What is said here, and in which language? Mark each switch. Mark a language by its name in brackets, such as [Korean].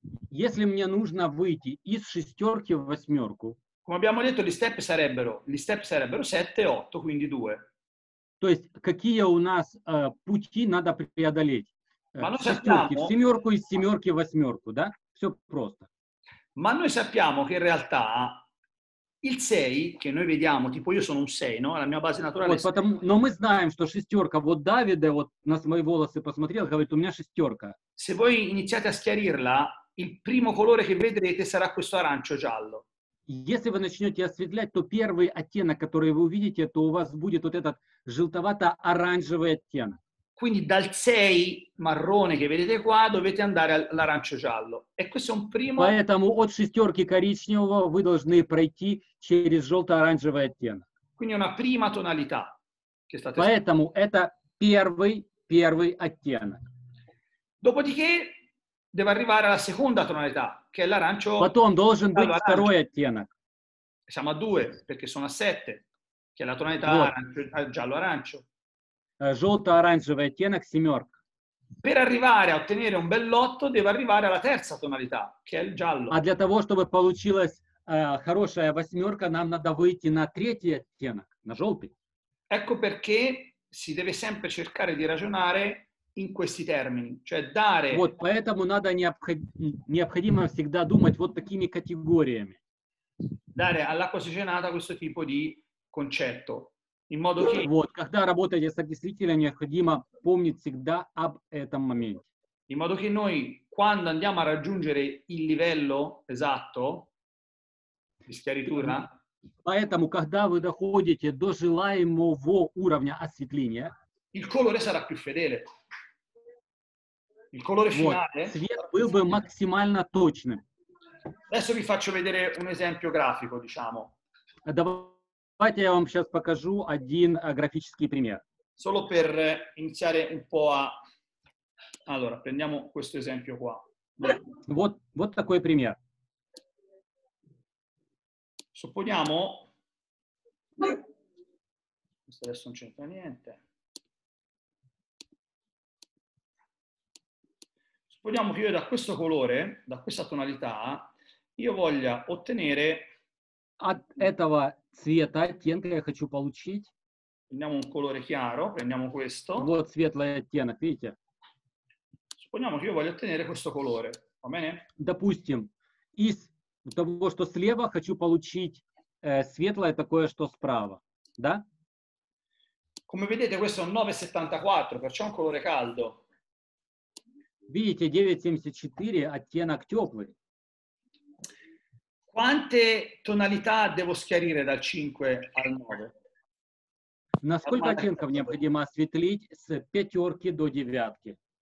[Russian] если мне нужно выйти из шестерки в восьмерку, [Italian] come abbiamo detto, gli step sarebbero 7 e 8, quindi 2. [Russian] То есть какие у нас пути надо преодолеть? [Italian] Ma lo sappiamo, [Russian] в семерку, из семерки в восьмерку, да? все просто. [Italian] Ma noi sappiamo che in realtà il 6 che noi vediamo, tipo io sono un 6, no? La mia base naturale. [Russian] Вот потому, но мы знаем, что шестёрка вот Давида вот на мои волосы посмотрел, говорит: "У меня шестёрка". [Italian] Se voi iniziate a schiarirla, il primo colore che vedrete sarà questo arancio giallo. [Russian] Если вы начнёте осветлять, то первый оттенок, который вы увидите, то у вас будет вот этот желтовато-оранжевый оттенок. [Italian] Quindi dal 6 marrone che vedete qua dovete andare all'arancio giallo. E questo è un primo. [Russian] Поэтому от шестёрки коричневого вы должны пройти через жёлто-оранжевый оттенок. [Italian] Quindi una prima tonalità che state. [Russian] Поэтому это первый оттенок. [Italian] Dopodiché deve arrivare alla seconda tonalità, che è l'arancio. [Russian] Потом должен быть второй оттенок. [Italian] Siamo a 2 perché sono a 7, che è la tonalità giallo-arancio. [Russian] Жёлто-оранжевый оттенок семёрка. [Italian] Per arrivare a ottenere un bell'otto deve arrivare alla terza tonalità, che è il giallo. [Russian] А для того, чтобы получилась хорошая восьмёрка, нам надо выйти на третий оттенок, на жёлтый. [Italian] Ecco perché si deve sempre cercare di ragionare in questi termini, cioè dare. [Russian] Вот поэтому надо необходимо всегда думать вот такими категориями. [Italian] Dare all'acqua ossigenata questo tipo di concetto. In modo che. [Russian] Вот, когда работаете с окислителем, необходимо помнить всегда об этом моменте. [Italian] In modo che noi, quando andiamo a raggiungere il livello esatto di schiaritura. [Russian] Поэтому, когда вы доходите до желаемого уровня осветления, [Italian] il colore sarà più fedele. Il colore finale. [Russian] Вот, свет был бы максимально точным. [Italian] Adesso vi faccio vedere un esempio grafico, diciamo. [Russian] Давайте я вам сейчас покажу один графический пример. [Italian] Solo per iniziare un po' a. Allora, prendiamo questo esempio qua. [Russian] Вот такой пример. [Italian] Supponiamo. Questo adesso non c'entra niente. Supponiamo che io da questo colore, da questa tonalità, io voglia ottenere. [Russian] От этого цвета оттенка я хочу получить. [Italian] Prendiamo un colore chiaro, prendiamo questo. [Russian] Вот светлый оттенок, видите? [Italian] Supponiamo che io voglio ottenere questo colore, va bene? [Russian] Допустим, из того, что слева, хочу получить светлое такое, что справа, да? [Italian] Come vedete, questo è un 974, perciò un colore caldo. [Russian] Видите, 974, оттенок теплый. [Italian] Quante tonalità devo schiarire dal 5 al 9? [Russian] Насколько оттенков необходимо осветлить с пятерки до девятки?